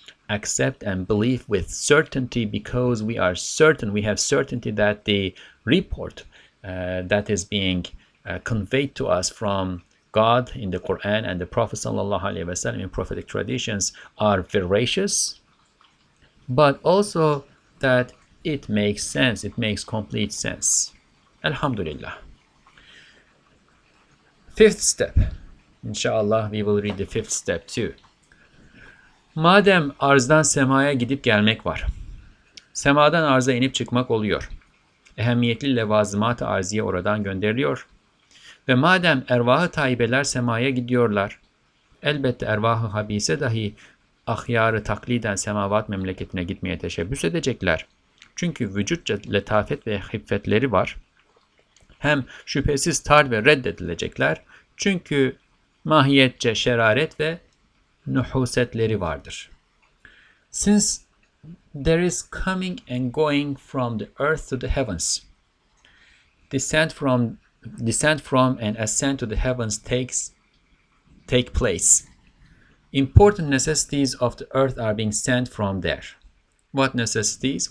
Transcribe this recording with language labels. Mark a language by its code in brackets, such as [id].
[en] accept and believe with certainty, because we are certain, we have certainty that the report that is being conveyed to us from God in the Quran and the Prophet sallallahu alaihi wasallam in prophetic traditions are veracious, but also that it makes sense, it makes complete sense. Alhamdulillah. Fifth step, inshallah we will read the fifth step too. [tr] Madem arzdan semaya gidip gelmek var, semadan arza inip çıkmak oluyor, ehemmiyetli levazımat-ı arziye oradan gönderiliyor ve madem ervah-ı tayyibeler semaya gidiyorlar, elbette ervah-ı habise dahi ahyar-ı takliden semavat memleketine gitmeye teşebbüs edecekler. Çünkü vücutça letafet ve hiffetleri var. Hem şüphesiz tar ve reddedilecekler. Çünkü mahiyetçe şeraret ve nuhusetleri vardır. [en] Since there is coming and going from the earth to the heavens, descent from and ascent to the heavens take place, important necessities of the earth are being sent from there. What necessities?